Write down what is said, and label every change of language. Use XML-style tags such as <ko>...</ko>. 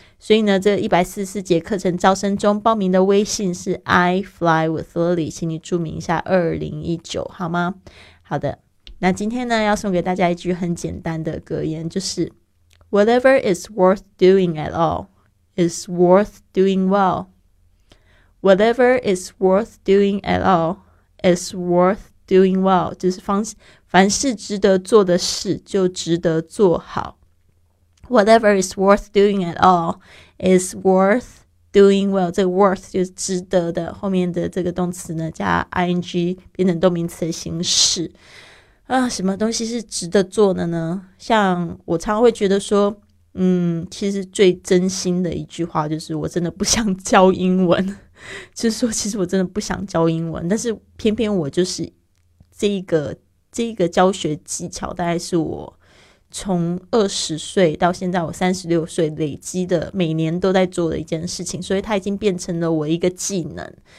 <zh>所以呢，这144节课程招生中，报名的微信是 I fly with Lily， 请你注明一下2019好吗？好的，那今天呢要送给大家一句很简单的格言，就是</zh> <en>Whatever is worth doing at allIs worth doing well. Whatever is worth doing at all is worth doing well.</en> <zh>就是凡是值得做的事就值得做好。</zh> <en>Whatever is worth doing at all is worth doing well.</en> <zh>这个 worth 就是值得的，后面的这个动词呢加 ing 变成动名词的形式。啊，什么东西是值得做的呢？像我常常会觉得说，其实最真心的一句话就是我真的不想教英文，就是说其实我真的不想教英文，但是偏偏我就是这个教学技巧，大概是我从20岁到现在我36岁累积的每年都在做的一件事情，所以它已经变成了我一个技能。</zh>